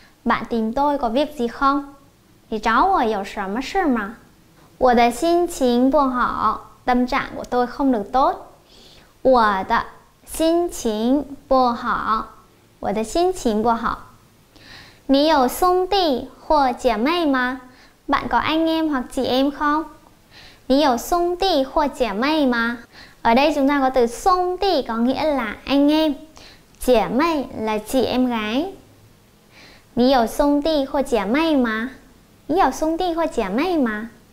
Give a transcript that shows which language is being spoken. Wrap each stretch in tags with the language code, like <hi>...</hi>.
<vi>Bạn tìm tôi có việc gì không?</vi> <zh>你找我有什么事吗? 我的心情不好,</zh> <vi>tâm trạng của tôi không được tốt.</vi> <zh>我的心情不好, 我的心情不好. 你有兄弟或姐妹吗?</zh> <vi>Bạn có anh em hoặc chị em không?</vi> <zh>你有兄弟或姐妹吗?</zh> <vi>Ở đây chúng ta có từ 兄弟 có nghĩa là anh em. 姐妹 là chị em gái.</vi> <zh>你有兄弟或姐妹吗?你有兄弟或姐妹吗?</zh>